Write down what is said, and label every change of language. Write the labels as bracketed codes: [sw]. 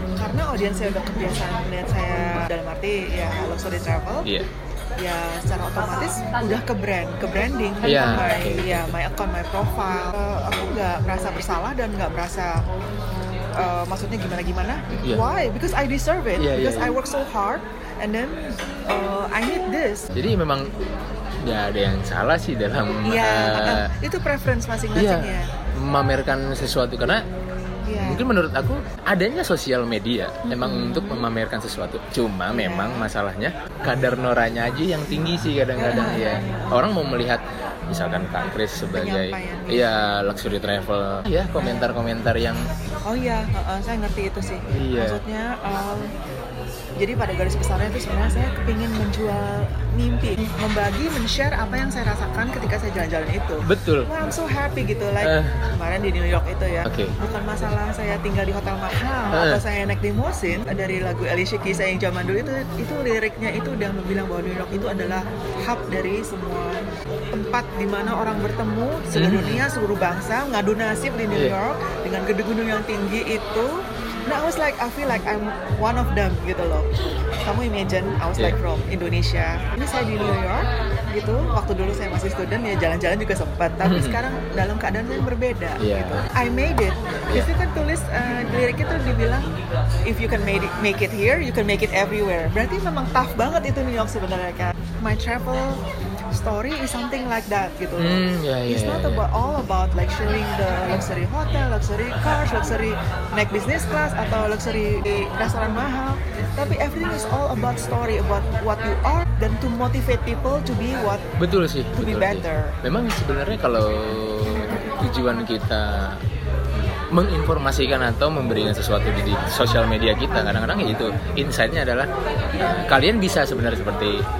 [id] Karena audiens saya udah kebiasaan melihat saya dalam arti ya luxury travel. Ya secara otomatis udah ke branding [en] my account, my profile. [id] Aku nggak merasa bersalah dan nggak merasa maksudnya gimana-gimana. [en] Why? Because I deserve it. Because I work so hard and then I need this. [id] Jadi memang nggak ada yang salah sih dalam itu preference masing-masing ya, memamerkan sesuatu, karena mungkin menurut aku adanya sosial media memang untuk memamerkan sesuatu. Cuma memang masalahnya kadar noranya aja yang tinggi sih kadang-kadang. Orang mau melihat misalkan Kang Chris sebagai luxury travel, komentar-komentar yang saya ngerti itu sih. Maksudnya jadi pada garis besarnya itu sebenarnya saya kepingin menjual mimpi, membagi, men-share apa yang saya rasakan ketika saya jalan-jalan itu. Betul. Wah, [en] I'm so happy [id] gitu, like kemarin di New York itu ya. Bukan masalah saya tinggal di hotel mahal atau saya naik limousin. Dari lagu Alicia Keys yang zaman dulu itu liriknya itu udah bilang bahwa New York itu adalah hub dari semua tempat di mana orang bertemu seluruh dunia, seluruh bangsa ngadu nasib di New York dengan gedung-gedung yang tinggi itu. [en] Nah, I was like, I feel like I'm one of them, [id] gitu loh. [en] Kamu imagine, I was like from Indonesia. [id] Ini saya di New York, gitu. Waktu dulu saya masih student, ya jalan-jalan juga sempat. Tapi sekarang dalam keadaan yang berbeda, gitu. [en] I made it. [id] Disitu kan tulis, liriknya tuh dibilang, [en] if you can make it here, you can make it everywhere. [id] Berarti memang tough banget itu New York sebenarnya, kan. [en] My travel story is something like that, gitu. It's not about like sharing the luxury hotel, luxury cars, luxury naik business class [id] atau luxury restoran mahal. [en] Tapi everything is all about story, about what you are dan to motivate people to be what. [id] Betul sih. [en] To [id] betul [en] be better. [id] Sih. Memang sebenarnya kalau tujuan kita menginformasikan atau memberikan sesuatu di sosial media kita, kadang-kadang ya itu insight-nya adalah kalian bisa sebenarnya seperti